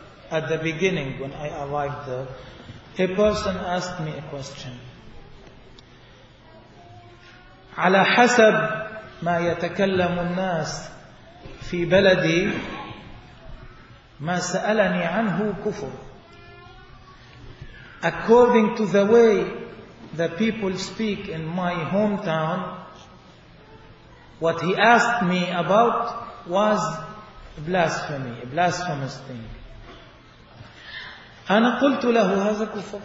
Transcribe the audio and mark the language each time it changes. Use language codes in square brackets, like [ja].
[en] At the beginning when I arrived there, a person asked me a question. [ar] على حسب ما يتكلم الناس في بلدي ما سألني عنه كفر. [en] According to the way the people speak in my hometown, what he asked me about was blasphemy, a blasphemous thing. [ar] أنا قلت له هذا كفر.